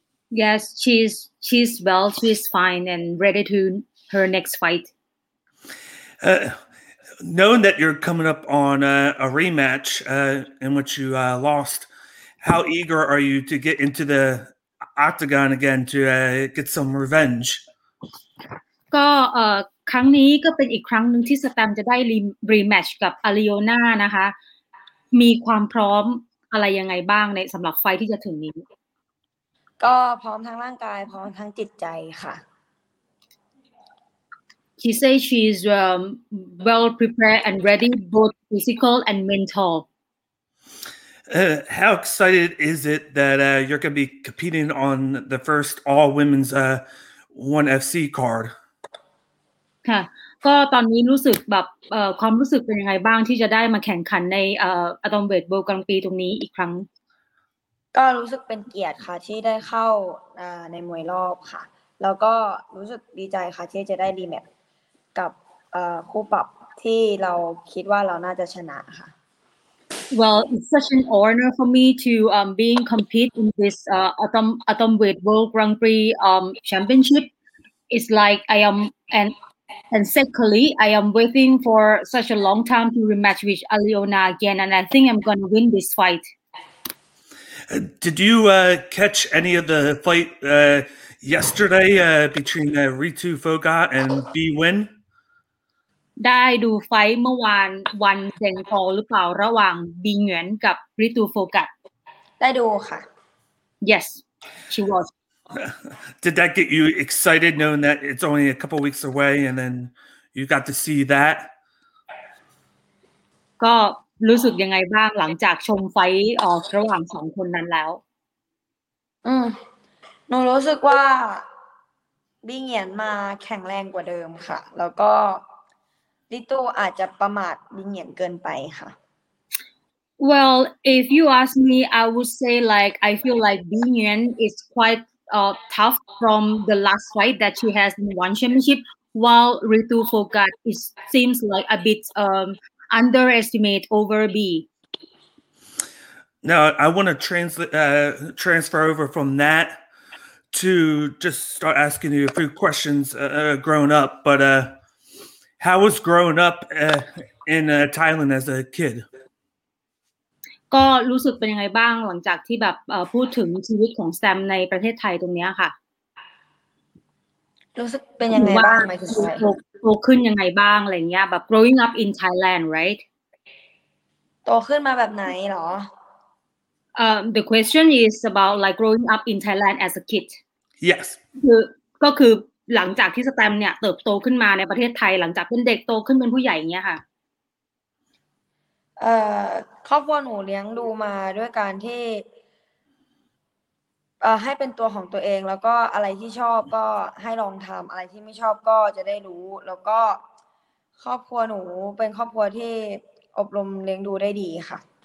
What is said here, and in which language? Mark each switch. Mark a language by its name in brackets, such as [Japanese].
[English] Yes, she's well, she's fine, and ready to her next fight. Knowing that you're coming up on a rematch in which you lost, how eager are you to get into the octagon again to get some revenge? [Thai] ก็ครั้งนี้ก็เป็นอีกครั้งหนึ่งที่สแตมจะได้รีแมตช์กับอาริโอน่านะคะมีความพร้อมอะไรยังไงบ้างในสำหรับไฟที่จะถึงนี้ก็พร้อมทั้งร่างกายพร้อมทั้งจิตใจค่ะ [English] She says she's well prepared and ready, both physical and mental. How excited is it that you're going to be competing on the first all women's 1FC card? [Thai] ค่ะก็ตอนนี้รู้สึกแบบความรู้สึกเป็นยังไงบ้างที่จะได้มาแข่งขันในอะตอมเวทเบิลกลางปีตรงนี้อีกครั้ง ก็รู้สึกเป็นเกียรติค่ะที่ได้เข้าในมวยรอบค่ะแล้วก็รู้สึกดีใจค่ะที่จะได้รีแมตช์กับคู่ปรับที่เราคิดว่าเราน่าจะชนะค่ะ [English] Well it's such an honor for me to being compete in this Atomweight World Grand Prix championship it's like I am and secondly I am waiting for such a long time to rematch with Aliona again and I think I'm going to win this fight Did you catch any of the fight yesterday between Ritu Foga and B Win? [Thai] ได้ดูไฟเมื่อวานวันเซนโตหรือเปล่าระหว่างบีเหงียนกับริตูโฟกัส ได้ดูค่ะ [English] Yes she was Did that get you excited knowing that it's only a couple weeks away and then you got to see that [Thai] ก็รู้สึกยังไงบ้างหลังจากชมไฟระหว่างสองคนนั้นแล้ว หนูรู้สึกว่าบีเหงียนมาแข็งแรงกว่าเดิมค่ะแล้วก็Rito อาจจะประมาทบิงเหียนเกินไปค่ะ [English] Well if you ask me I would say like I feel like Bing Yuan is quite tough from the last fight that she has in one championship while Rito Fogat it seems like a bit underestimate over B Now I want to transfer over from that to just start asking you a few questions growing up butHow was growing up in Thailand as a kid? [Thai] ก็รู้สึกเป็นยังไงบ้างหลังจากที่แบบพูดถึงชีวิตของแซมในประเทศไทยตรงนี้ค่ะ รู้สึกเป็นยังไงบ้างไหมคุณชายโตขึ้นยังไงบ้างอะไรเงี้ยแบบ [English] growing up in Thailand right [Thai] โตขึ้นมาแบบไหนหรอ [English] The question is about like growing up in Thailand as a kid Yes [Thai] ก็คือหลังจากที่สแตมเนี่ยเติบโตขึ้นมาในประเทศไทยหลังจากเป็นเด็กโตขึ้นเป็นผู้ใหญ่อย่างเงี้ยค่ะ ครอบครัวหนูเลี้ยงดูมาด้วยการที่ให้เป็นตัวของตัวเองแล้วก็อะไรที่ชอบก็ให้ลองทำอะไรที่ไม่ชอบก็จะได้รู้แล้วก็ครอบครัวหนูเป็นครอบครัวที่อบรมเลี้ยงดูได้ดีค่ะ